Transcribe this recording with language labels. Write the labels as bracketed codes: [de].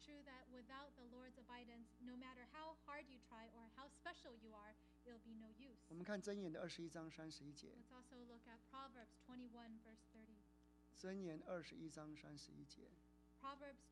[en] true that without the Lord's abidance, no matter how hard you try or how special you are, it'll be no use. [zh] 我们看箴言的21章31节。 [en] Let's also look at Proverbs 21 verse 30. [zh] 箴言21章31节。 [en] Proverbs